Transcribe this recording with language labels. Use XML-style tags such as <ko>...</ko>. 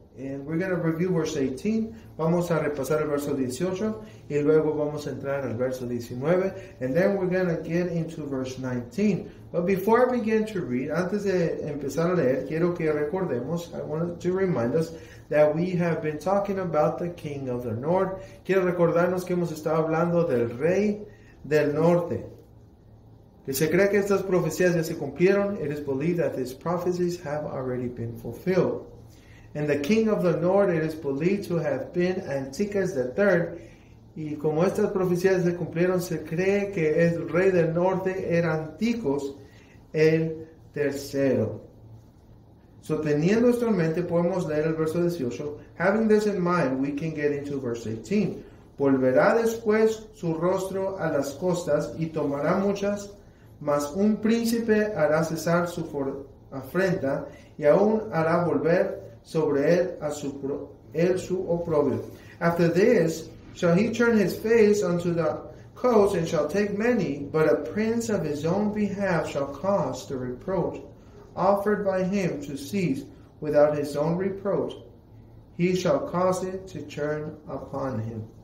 <en>And we're going to review verse 18.</en> <es>Vamos a repasar el verso 18. Y luego vamos a entrar al verso 19.</es> <en>And then we're going to get into verse 19. But before I begin to read,</en> <es>antes de empezar a leer, quiero que recordemos,</es> <en>I want to remind us, that we have been talking about the King of the North.</en> <es>Quiero recordarnos que hemos estado hablando del Rey del Norte. Que se cree que estas profecías ya se cumplieron.</es> <en>It is believed that these prophecies have already been fulfilled. And the King of the North, it is believed to have been Antiochus III.</en> <es>Y como estas profecías se cumplieron, se cree que el Rey del Norte era Antiochus el III. So, teniendo esto en mente, podemos leer el verso 18.</es> <en>Having this in mind, we can get into verse 18.</en> <es>Volverá después su rostro a las costas y tomará muchas, mas un príncipe hará cesar su afrenta y aún hará volver sobre él a su, él su oprobio.</es> <en>After this, shall he turn his face unto the coast and shall take many, but a prince of his own behalf shall cause the reproach offered by him to cease without his own reproach. He shall cause it to turn upon him.</en>